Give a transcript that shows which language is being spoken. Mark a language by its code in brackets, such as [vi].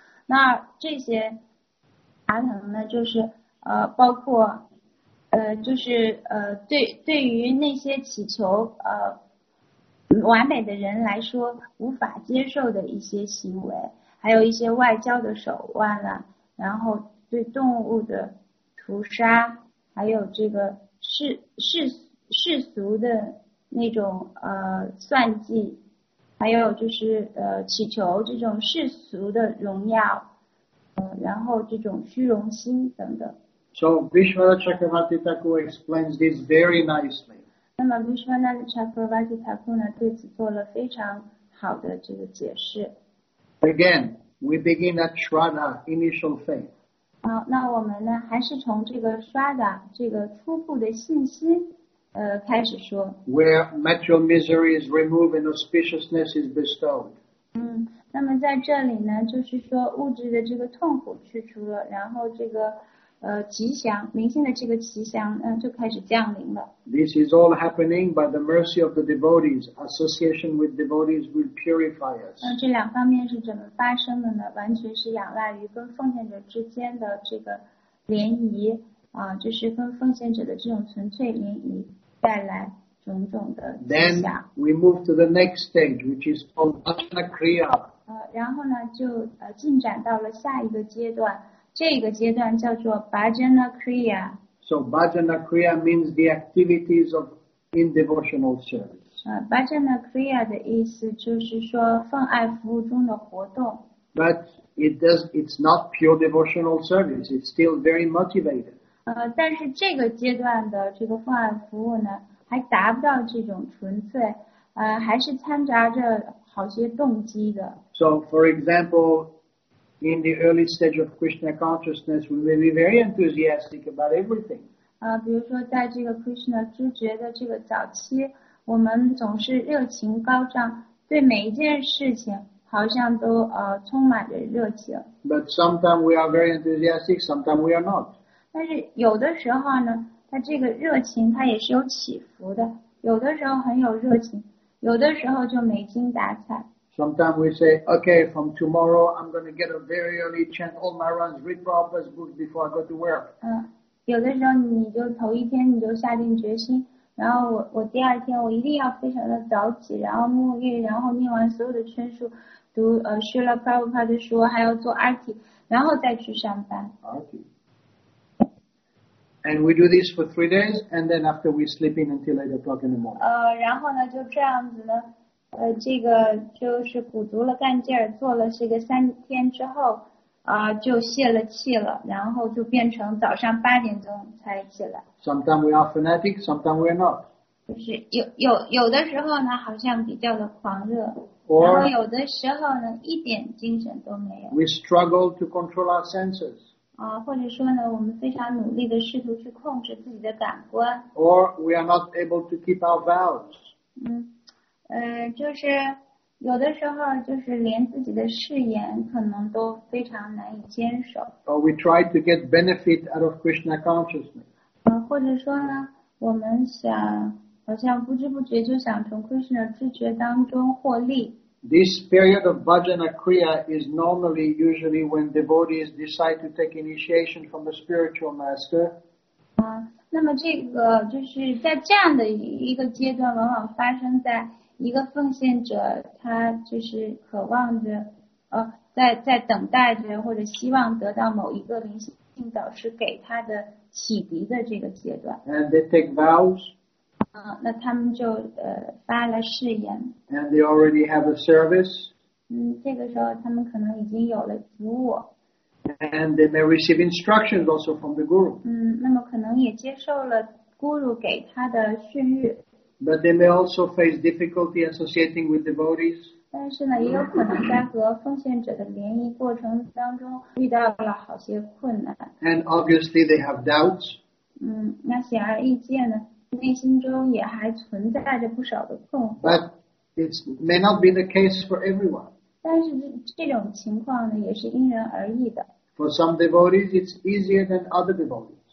[zh] 那这些爬藤呢，就是包括对于那些祈求完美的人来说无法接受的一些行为，还有一些外交的手腕啊，然后对动物的屠杀，还有这个世俗的那种算计，还有就是祈求这种世俗的荣耀，然后这种虚荣心等等。 [en] So Bhishma Chakravarti Thakur explains this very nicely. [zh] 那么 Vishwanath Chakravarti Thakur 呢，对此做了非常好的这个解释。 [en] Again, we begin at Shraddha, initial faith. [zh] 好，那我们呢，还是从这个 Shraddha 这个初步的信心开始说。 [en] Where material misery is removed and auspiciousness is bestowed. [zh] 那么在这里呢，就是说物质的这个痛苦去除了，然后这个吉祥，明星的这个吉祥就开始降临了。 [en] This is all happening by the mercy of the devotees. Association with devotees will purify us. [zh] 这两方面是怎么发生的呢？完全是仰赖于跟奉献者之间的这个联谊就是跟奉献者的这种纯粹联谊带来种种的吉祥。 [en] Then we move to the next stage, which is called Vachana Kriya. [zh] 然后呢，就进展到了下一个阶段。这个阶段叫做 Bhajana Kriya. [en] So Bhajana Kriya means the activities of in devotional service. [zh] Bhajana Kriya 的意思就是说奉爱服务中的活动。 [en] But it's not pure devotional service. It's still very motivated. [zh] 但是这个阶段的这个奉爱服务呢，还达不到这种纯粹，还是掺杂着好些动机的。 [en] So for example,In the early stage of Krishna consciousness, we may be very enthusiastic about everything. [zh] 比如说在这个 Krishna 知觉的这个早期，我们总是热情高涨，对每一件事情好像都充满着热情。 [en] But sometimes we are very enthusiastic, sometimes we are not. [zh] 但是有的时候呢，它这个热情它也是有起伏的，有的时候很有热情，有的时候就没精打采。 [en] Sometimes we say, okay, from tomorrow, I'm going to get up very early, chant all my runs, read Prabhupada's books before I go to work. [zh] 有的时候你就头一天你就下定决心，然后我第二天我一定要非常的早起，然后沐浴，然后念完所有的圈书，读师了快不快的书，还要做 RT， 然后再去上班。 [en] And we do this for 3 days, and then after we sleep in until 8 o'clock in the morning. [zh] 然后呢，就这样子呢，这个就是鼓足了干劲儿，做了这个3天之后，就泄了气了，然后就变成早上8点钟才起来。 [en] Sometimes we are fanatic, sometimes we are not. [zh] 就是有的时候呢，好像比较的狂热，然后有的时候呢，一点精神都没有。 [en] We struggle to control our senses. [zh] 或者说呢，我们非常努力的试图去控制自己的感官。 [en] Or we are not able to keep our vows. [zh] 就是。有的时候就是连自己的誓言可能都非常难以坚守。 [en] Or we try to get benefit out of Krishna consciousness. [zh] 或者说呢，我们想好像不知不觉就想从 Krishna 知觉当中获利。 [en] This period of bhajana kriya is normally usually when devotees decide to take initiation from the spiritual master. [zh] 那么这个就是在这样的一个阶段，往往发生在。一个奉献者，他就是渴望着，在等待着或者希望得到某一个灵性导师给他的启迪的这个阶段。 [en] And they take vows. [zh] 那他们就发了誓言。 [en] And they already have a service. [zh] 这个时候他们可能已经有了服务。 [en] And they may receive instructions also from the guru. [zh] 那么可能也接受了 guru 给他的训谕。 [en] But they may also face difficulty associating with devotees. [zh] 但是呢，也有可能在和奉献者的联谊过程当中遇到了好些困难。 [en] And obviously they have doubts. [zh] 那显而易见呢，内心中也还存在着不少的困惑。 [en] But it may not be the case for everyone. [zh] 但是这种情况呢，也是因人而异的。 [en] For some devotees, it's easier than other devotees.